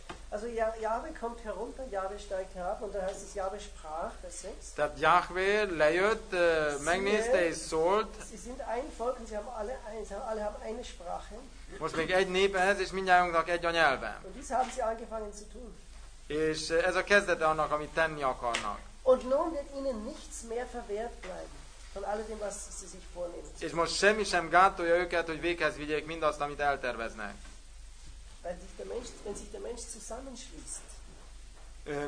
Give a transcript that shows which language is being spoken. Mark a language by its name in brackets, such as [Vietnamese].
[German] Also Jahwe kommt herunter, Jahwe steigt herab und da heißt es, Jahwe sprach, Vers 6. [Hungarian] Tehát Jahwe lejött, megnézte és szólt. [German] Sie sind ein Volk und sie haben alle eine Sprache. [Hungarian] Most még egy nép ez, és mindjártunknak egy a nyelve. [German] Und dies haben sie angefangen zu tun. [Hungarian] És ez a kezdete annak, amit tenni akarnak. [German] Und nun wird ihnen nichts mehr verwehrt bleiben von all dem, was sie sich vornehmen. [Hungarian] És most semmi sem gátolja őket, hogy véghez vigyék mindazt, amit elterveznek. [German] Wenn sich der Mensch zusammenschließt.